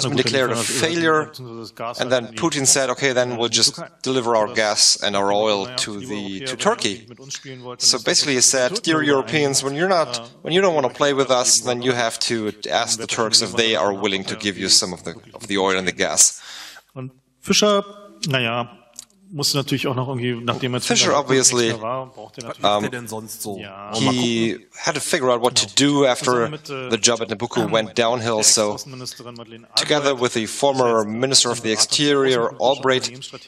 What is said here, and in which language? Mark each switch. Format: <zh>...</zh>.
<de>na gut, dann</de> <en>failure, and then Putin said, okay, then we'll just deliver our gas and our oil to Turkey. So basically he said, dear Europeans, when you don't want to play with us, then you have to ask the Turks if they are willing to give you some of the oil and the gas.</en> <de>Und Fischer, naja, musste natürlich auch noch irgendwie, nachdem er</de> <en>Fischer obviously he had to figure out what to do after the job at Nabucco went downhill. So together with the former Minister of the Exterior Albright</en>